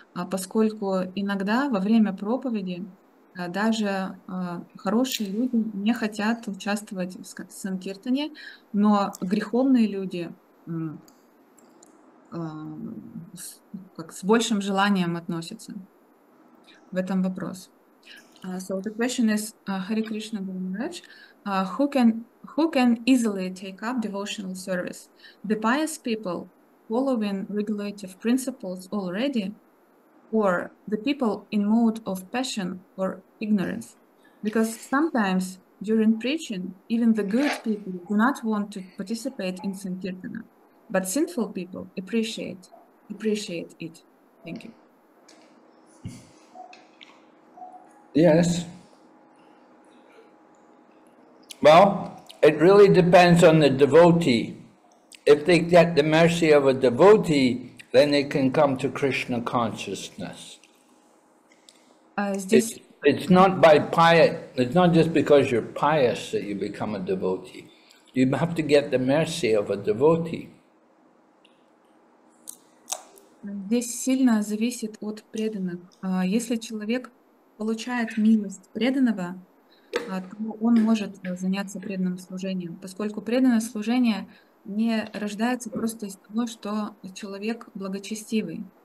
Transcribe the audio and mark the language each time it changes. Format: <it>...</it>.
<ru>Поскольку иногда во время проповеди даже хорошие люди не хотят участвовать в санкиртане, но греховные люди с большим желанием относятся. В этом вопрос.</ru> <en>So the question is, Hare Krishna Guru Maharaj, who can easily take up devotional service? The pious people following regulative principles already, or the people in mode of passion or ignorance? Because sometimes during preaching, even the good people do not want to participate in sankirtana, but sinful people appreciate it. Thank you. Yes. Well, it really depends on the devotee. If they get the mercy of a devotee, then they can come to Krishna consciousness.</en> <ru>Здесь...</ru> <en>It's not by pious, it's not just because you're pious that you become a devotee. You have to get the mercy of a devotee.</en> <ru>Здесь сильно зависит от преданных. Если человек получает милость преданного, то он может заняться преданным служением, поскольку преданное служение не рождается просто из того, что человек благочестивый.</ru>